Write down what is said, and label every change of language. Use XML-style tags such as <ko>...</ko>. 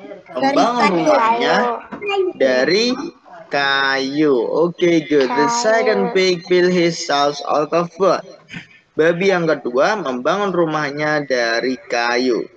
<id>Membangun rumahnya dari kayu.</id> <en>Okay, good. The second pig built his house out of wood.</en> <id>Babi yang kedua membangun rumahnya dari kayu.</id>